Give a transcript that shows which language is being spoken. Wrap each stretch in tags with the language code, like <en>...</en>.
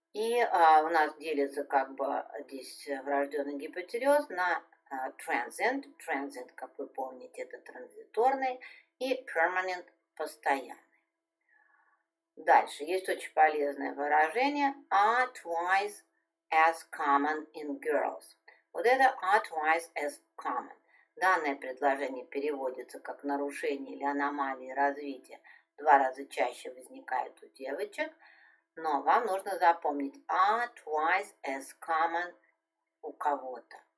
<ru>И у нас делится как бы здесь врожденный гипотиреоз на transient. Transient, как вы помните, это транзиторный. И permanent, постоянный. Дальше, есть очень полезное выражение.</ru> <en>Are twice as common in girls.</en> <ru>Вот это</ru> <en>are twice as common.</en> <ru>Данное предложение переводится как нарушение или аномалии развития. Два раза чаще возникает у девочек. Но вам нужно запомнить</ru> <en>are twice as common</en> <ru>у кого-то.</ru>